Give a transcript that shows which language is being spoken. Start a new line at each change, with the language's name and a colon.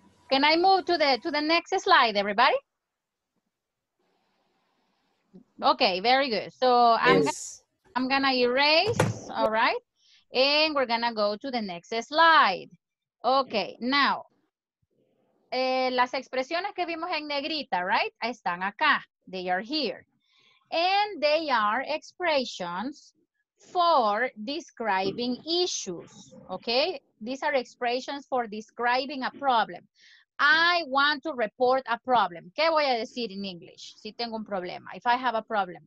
English: Can I move to the next slide, everybody? Okay, very good. So I'm gonna erase, all right? And we're gonna go to the next slide.
Spanish: Okay, now, las expresiones que vimos en negrita, right? Están acá,
English: they are here. And they are expressions for describing issues, okay? These are expressions for describing a problem. I want to report a problem.
Spanish: ¿Qué voy a decir
English: in English?
Spanish: Si tengo un problema,
English: if I have a problem.